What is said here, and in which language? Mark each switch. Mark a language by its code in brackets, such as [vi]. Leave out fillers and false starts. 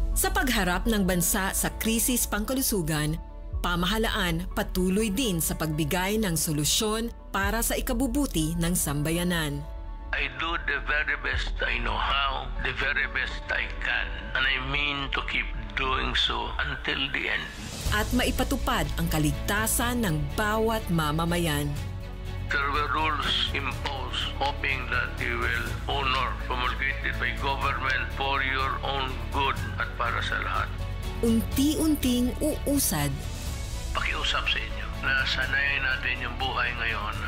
[tl] Sa pagharap ng bansa sa krisis pangkalusugan, pamahalaan patuloy din sa pagbigay ng solusyon para sa ikabubuti ng sambayanan. [en] I do the very best I know how, the very best I can, and I mean to keep doing so until the end. [tl] At maipatupad ang kaligtasan ng bawat mamamayan. [en] There were rules imposed, hoping that you will honor, promulgated by government for your own good [tl] at para sa lahat. Unti-unting uusad. Pakiusap sa inyo na sanayin natin yung buhay ngayon.